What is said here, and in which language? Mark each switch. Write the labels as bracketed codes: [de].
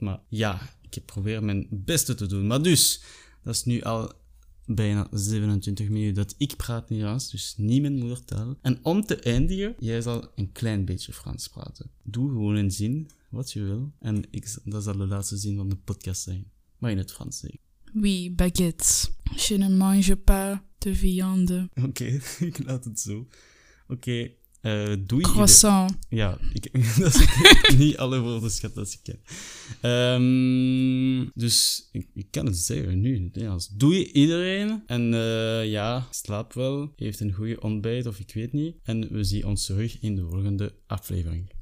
[nl] Maar ja, ik heb geprobeerd mijn beste te doen. Maar dus, dat is nu al bijna 27 minuten dat ik praat Nederlands, dus niet mijn moedertaal. En om te eindigen, jij zal een klein beetje Frans praten. Doe gewoon een zin. Wat je wil. En dat zal de laatste zin van de podcast zijn. Maar in het Frans zeg. [fr] Oui, baguette. Je ne mange pas de viande. [nl] Oké, okay, ik laat het zo. Oké, doei. [fr] Croissant. [nl] Ieder. Ja, dat is niet alle woorden schat dat ik ken. Dus ik kan het zeggen nu in het Nederlands. Doei iedereen. En ja, slaap wel. Heeft een goede ontbijt of ik weet niet. En we zien ons terug in de volgende aflevering.